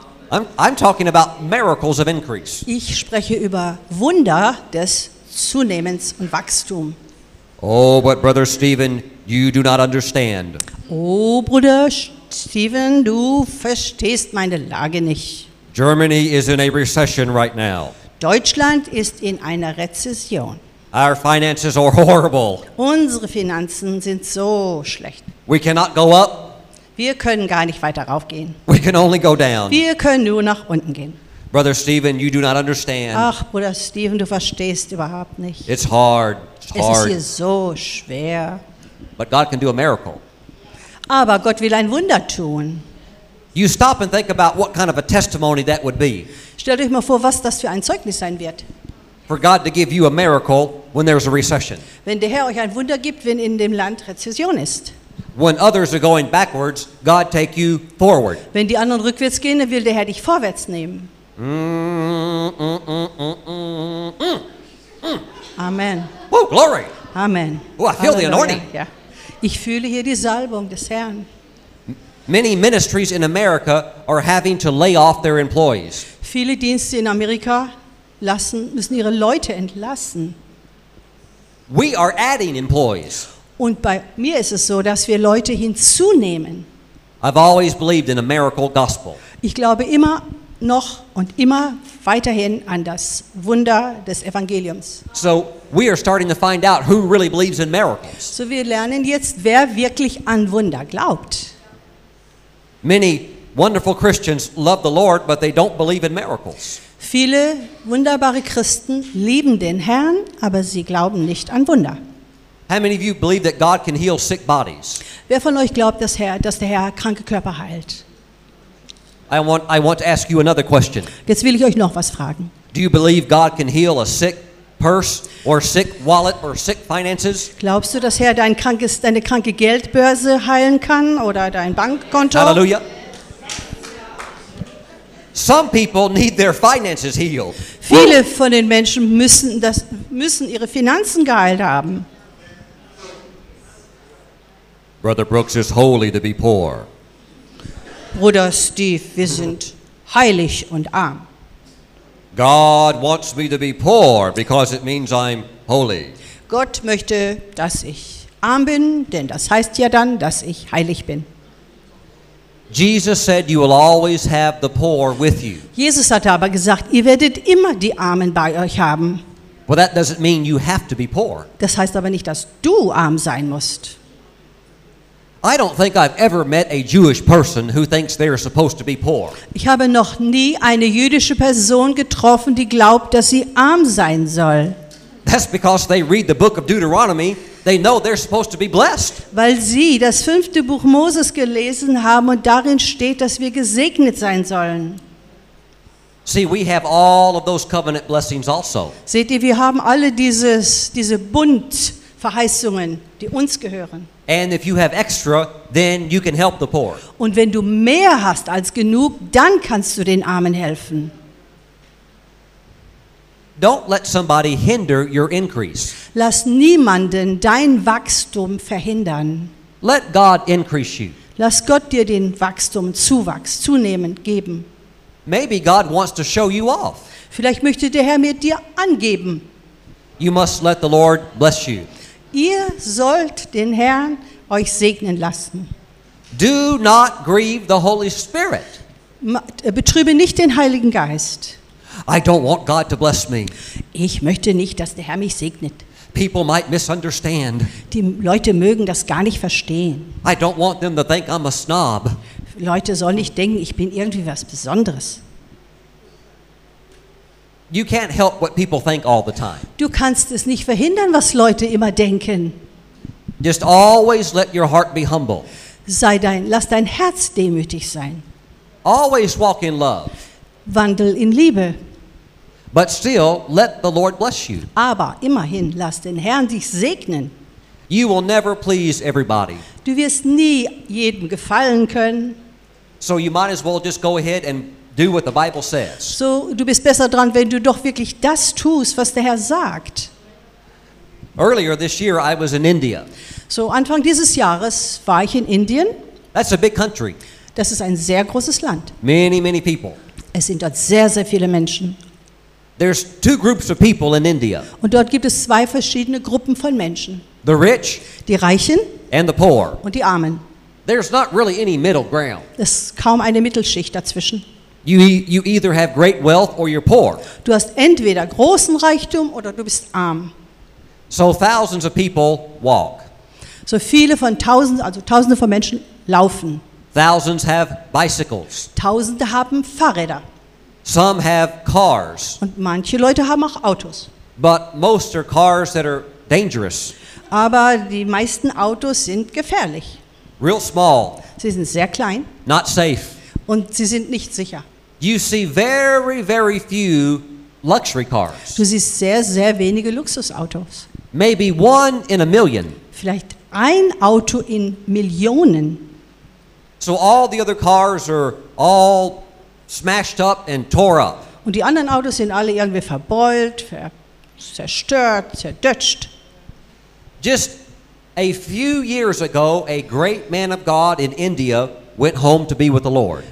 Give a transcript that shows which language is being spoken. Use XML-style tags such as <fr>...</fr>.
<en>I'm talking about miracles of increase.</en> <de>Ich spreche über Wunder des Zunehmens und Wachstum.</de> <en>Oh, but Brother Stephen, you do not understand.</en> <de>Oh, Bruder Stephen, du verstehst meine Lage nicht.</de> <en>Germany is in a recession right now.</en> <de>Deutschland ist in einer Rezession.</de> <en>Our finances are horrible.</en> <de>Unsere Finanzen sind so schlecht.</de> <en>We cannot go up.</en> <de>Wir können gar nicht weiter raufgehen.</de> <en>We can only go down.</en> <de>Wir können nur nach unten gehen.</de> <en>Brother Stephen, you do not understand.</en> <de>Ach, Bruder Stephen, du verstehst überhaupt nicht.</de> <en>It's hard. It's hard.</en> <de>Es ist hier so schwer.</de> <en>But God can do a miracle.</en> <de>Aber Gott will ein Wunder tun.</de> <en>You stop and think about what kind of a testimony that would be.</en> <de>Stellt euch mal vor, was das für ein Zeugnis sein wird.</de> <en>For God to give you a miracle when there's a recession.</en> <de>Wenn der Herr euch ein Wunder gibt, wenn in dem Land Rezession ist.</de> <en>When others are going backwards, God take you forward.</en> <de>Wenn die anderen rückwärts gehen, dann will der Herr dich vorwärts nehmen.</de> <en>Amen. Oh, glory. Amen. Oh, I feel the anointing. Yeah.</en> <de>Ich fühle hier die Salbung des Herrn.</de> <en>Many ministries in America are having to lay off their employees.</en> <de>Viele Dienste in Amerika müssen ihre Leute entlassen.</de> <en>We are adding employees.</en> <de>Und bei mir ist es so, dass wir Leute hinzunehmen.</de> <en>I've always believed in a miracle gospel.</en> <de>Ich glaube immer noch und immer weiterhin an das Wunder des Evangeliums.</de> <en>So we are starting to find out who really believes in miracles.</en> <de>So wir lernen jetzt, wer wirklich an Wunder glaubt.</de> <en>Many wonderful Christians love the Lord, but they don't believe in miracles.</en> <de>Viele wunderbare Christen lieben den Herrn, aber sie glauben nicht an Wunder.</de> <en>How many of you believe that God can heal sick bodies?</en> <de>Wer von euch glaubt, dass der Herr kranke Körper heilt?</de> <en>I want to ask you another question.</en> <de>Jetzt will ich euch noch was fragen.</de> <en>Do you believe God can heal a sick purse or sick wallet or sick finances?</en> <de>Glaubst du, dass Herr deine kranke Geldbörse heilen kann oder dein Bankkonto?</de> <en>Hallelujah. Some people need their finances healed.</en> <de>Viele von den Menschen müssen ihre Finanzen geheilt haben.</de> <en>Brother Brooks, is holy to be poor.</en> <de>Bruder Steve, wir sind heilig und arm.</de> <en>God wants me to be poor because it means I'm holy.</en> <de>Gott möchte, dass ich arm bin, denn das heißt ja dann, dass ich heilig bin.</de> <en>Jesus said you will always have the poor with you.</en> <de>Jesus hat aber gesagt, ihr werdet immer die Armen bei euch haben.</de> <en>Well, that doesn't mean you have to be poor.</en> <de>Das heißt aber nicht, dass du arm sein musst.</de> <en>I don't think I've ever met a Jewish person who thinks they are supposed to be poor.</en> <de>Ich habe noch nie eine jüdische Person getroffen, die glaubt, dass sie arm sein soll.</de> <en>That's because they read the book of Deuteronomy. They know they're supposed to be blessed.</en> <de>Weil sie das fünfte Buch Moses gelesen haben und darin steht, dass wir gesegnet sein sollen.</de> <en>See, we have all of those covenant blessings also.</en> <de>Seht ihr, wir haben alle diese Bundverheißungen, die uns gehören.</de> <en>And if you have extra, then you can help the poor.</en> <de>Und wenn du mehr hast als genug, dann kannst du den Armen helfen.</de> <en>Don't let somebody hinder your increase.</en> <de>Lass niemanden dein Wachstum verhindern.</de> <en>Let God increase you.</en> <de>Lass Gott dir den Wachstum, Zuwachs, zunehmend geben.</de> <en>Maybe God wants to show you off.</en> <de>Vielleicht möchte der Herr mir dir angeben.</de> <en>You must let the Lord bless you.</en> <de>Ihr sollt den Herrn euch segnen lassen.</de> <en>Do not grieve the Holy Spirit.</en> <de>Betrübe nicht den Heiligen Geist.</de> <en>I don't want God to bless me.</en> <de>Ich möchte nicht, dass der Herr mich segnet.</de> <en>People might misunderstand.</en> <de>Die Leute mögen das gar nicht verstehen.</de> <en>I don't want them to think I'm a snob.</en> <de>Leute sollen nicht denken, ich bin irgendwie was Besonderes.</de> <en>You can't help what people think all the time.</en> <de>Du kannst es nicht verhindern, was Leute immer denken.</de> <en>Just always let your heart be humble.</en> <de>Lass dein Herz demütig sein.</de> <en>Always walk in love.</en> <de>Wandel in Liebe.</de> <en>But still, let the Lord bless you.</en> <de>Aber immerhin, lass den Herrn dich segnen.</de> <en>You will never please everybody.</en> <de>Du wirst nie jedem gefallen können.</de> <en>So you might as well just go ahead and do what the Bible says.</en> <de>So du bist besser dran, wenn du doch wirklich das tust, was der Herr sagt.</de> <en>Earlier this year I was in India.</en> <de>So Anfang dieses Jahres war ich in Indien.</de> <en>That's a big country.</en> <de>Das ist ein sehr großes Land.</de> <en>Many, many people.</en> <de>Es sind dort sehr, sehr viele Menschen.</de> <en>There's two groups of people in India.</en> <de>Und dort gibt es zwei verschiedene Gruppen von Menschen.</de> <en>The rich,</en> <de>die Reichen,</de> <en>and the poor.</en> <de>Und die Armen.</de> <en>There's not really any middle ground.</en> <de>Es ist kaum eine Mittelschicht dazwischen.</de> <en>You either have great wealth or you're poor.</en> <de>Du hast entweder großen Reichtum oder du bist arm.</de> <en>So thousands of people walk.</en> <de>So viele von tausenden, also tausende von Menschen laufen.</de> <en>Thousands have bicycles.</en> <de>Tausende haben Fahrräder.</de> <en>Some have cars.</en> <de>Und manche Leute haben auch Autos.</de> <en>But most are cars that are dangerous.</en> <de>Aber die meisten Autos sind gefährlich.</de> <en>Real small.</en> <de>Sie sind sehr klein.</de> <en>Not safe.</en> <de>Und sie sind nicht sicher.</de> <en>You see very, very few luxury cars.</en> <de>Du siehst sehr, sehr wenige Luxusautos.</de> <en>Maybe one in a million.</en> <de>Vielleicht ein Auto in Millionen.</de> <en>So all the other cars are all smashed up and tore up.</en> <de>Und die anderen Autos sind alle irgendwie verbeult, zerstört, zerdutscht.</de> <en>Just a few years ago, a great man of God in India went home to be with the Lord.</en>